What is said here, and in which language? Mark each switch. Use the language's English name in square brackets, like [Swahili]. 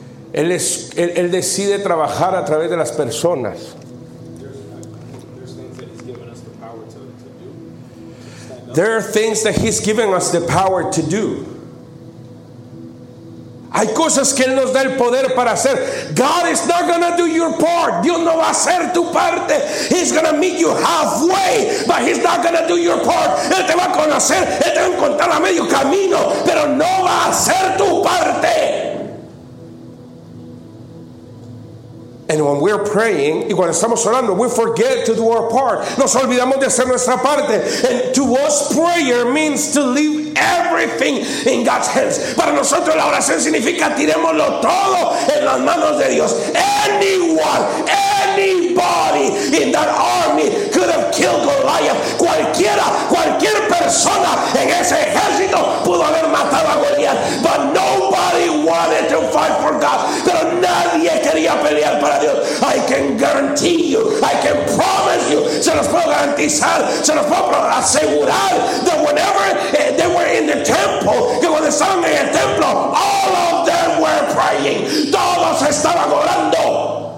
[Spanish] Él decide trabajar a través de las personas. [English] There are things that he's given us the power to do. [Spanish] Hay cosas que Él nos da el poder para hacer. [English] God is not going to do your part. [Spanish] Dios no va a hacer tu parte. [English] He's going to meet you halfway. But He's not going to do your part. [Spanish] Él te va a conocer. Él te va a encontrar a medio camino. Pero no va a hacer tu parte. [English] And when we're praying, [Spanish] y cuando estamos orando, [English] we forget to do our part. [Spanish] Nos olvidamos de hacer nuestra parte. [English] And to us, prayer means to leave everything in God's hands. [Spanish] Para nosotros, la oración significa tirémoslo todo en las manos de Dios. [English] Anyone, anybody in that army could have killed Goliath. [Spanish] Cualquiera, cualquier persona en ese ejército pudo haber matado a Goliath. [English] But nobody wanted to fight for God. [Spanish] Pero nadie quería pelear para Dios. [English] I can guarantee you, I can promise you, [Spanish] se los puedo garantizar, se los puedo asegurar, [English] that whenever they were in the temple, [Spanish] que cuando estaban en el templo, [English] all of them were praying, [Spanish] todos estaban orando.